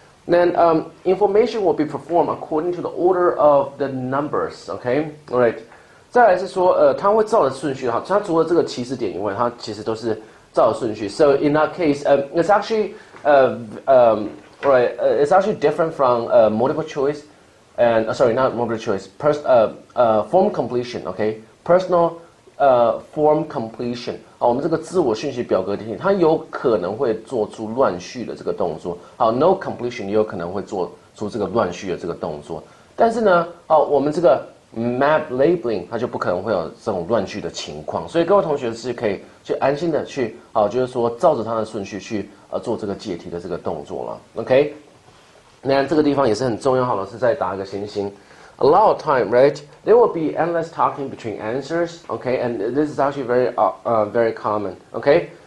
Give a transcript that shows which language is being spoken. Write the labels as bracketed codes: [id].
[en] Then information will be performed according to the order of the numbers。 OK，right？ [zh] 再来是说他会照的顺序哈，他除了这个起始点以外，他其实都是照的顺序。 [en] So in that case, it's actually it's actually different from multiple choice and sorry, not multiple choice, form completion, okay? Personal form completion. [zh] 好，我们这个自我讯息表格提醒，它有可能会做出乱序的这个动作。好 ，no completion 也有可能会做出这个乱序的这个动作。但是呢，好，我们这个 map labeling 它就不可能会有这种乱序的情况。所以各位同学是可以去安心的去，好，就是说照着它的顺序去。做这个解题的这个动作了 ，OK。那这个地方也是很重要，好，老师再打一个星星。 [en] A lot of time, right? There will be endless talking between answers, OK? And this is actually very, very common, OK?